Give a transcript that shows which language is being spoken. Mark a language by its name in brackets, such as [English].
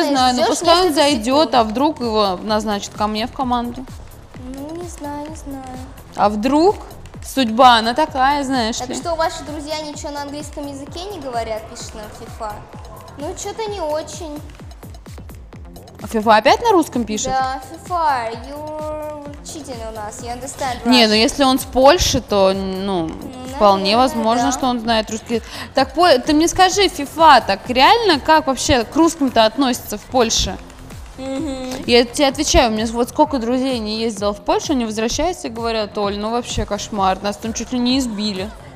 [Russian] Ну, я знаю, но пускай он зайдет, а вдруг его назначат ко мне в команду. Ну, не знаю, не знаю. А вдруг? Судьба, она такая, знаешь так ли. Так что, ваши друзья ничего на английском языке не говорят, пишет нам FIFA? Ну, что-то не очень. А FIFA опять на русском пишет? [English] Да, FIFA, you're cheating on us, you understand Russian. [Russian] Не, ну если он с Польши, то, ну, вполне наверное, возможно, да. Что он знает русский. Так, ты мне скажи, FIFA, так реально как вообще к русскому-то относится в Польше? Я тебе отвечаю, у меня вот сколько друзей не ездило в Польшу, они возвращаются и говорят, Оль, ну вообще кошмар, нас там чуть ли не избили.